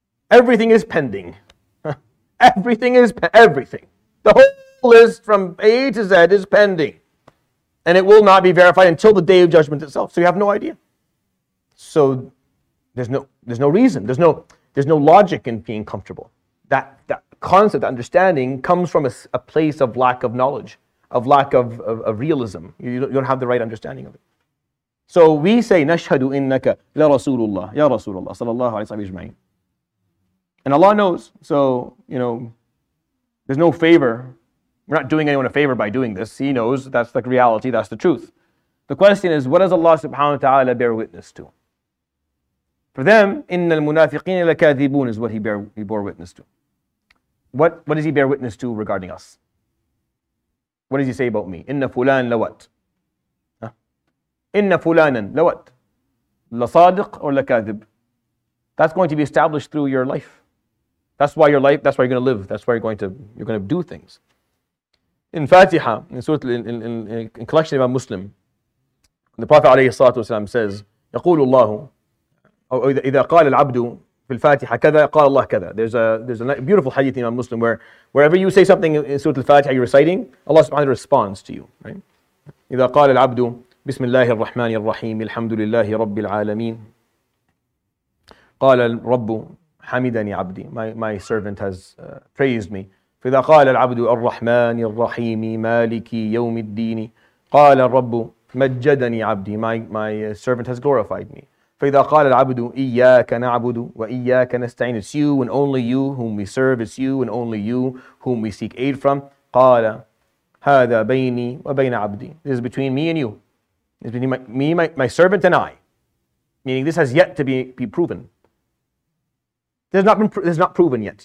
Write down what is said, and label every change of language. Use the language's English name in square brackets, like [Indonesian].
[English] Everything is pending. Everything. The whole list from A to Z is pending. And it will not be verified until the day of judgment itself. So you have no idea. So there's no reason. There's no logic in being comfortable. That concept, that understanding, comes from a place of lack of knowledge, of lack of realism. You don't have the right understanding of it. So we say, [Arabic] نَشْهَدُ إِنَّكَ لَرَسُولُ اللَّهِ يَا رَسُولُ اللَّهِ صَلَى اللَّهُ عَلَيْهِ وَسَلَّمَ. [English] And Allah knows, so, you know, there's no favor. We're not doing anyone a favor by doing this. He knows that's the reality, that's the truth. The question is, what does Allah subhanahu wa ta'ala bear witness to? For them, [Arabic] إِنَّ الْمُنَافِقِينَ لَكَاذِبُونَ [English] is what he bore witness to. What does he bear witness to regarding us? What does he say about me? [Arabic] إِنَّ فُلَانْ لَوَتْ. إِنَّ فُلَانًا لَوَتْ. لَصَادِقْ or لَكَاذِبْ. [English] That's going to be established through your life. That's why you're going to live. That's why you're going to do things. In Fatiha, in collection of a Muslim, the Prophet عليه الصلاة والسلام says, [Arabic] يقول الله أو إذا قال العبد في الفاتحة كذا قال الله كذا. [English] There's a beautiful hadith in a Muslim where wherever you say something in Surah Al-Fatiha you're reciting, Allah subhanahu wa ta'ala responds to you. Right? [Arabic] إذا قال العبد بسم الله الرحمن الرحيم الحمد لله رب العالمين قال الرب حمدني عبدي. [English] My servant has praised me. [Arabic] فإذا قال العبد الرحمن الرحيم مالك يوم الدين قال الرب مجدني عبدي. [English] My servant has glorified me. [Arabic] فإذا قال العبد إياك نعبد وإياك نستعين. [English] It's you and only you whom we serve. It's you and only you whom we seek aid from. [Arabic] قال هذا بيني وبين عبدي. [English] This is between me and you. It's between my servant and I. Meaning this has yet to be proven. It's not proven yet.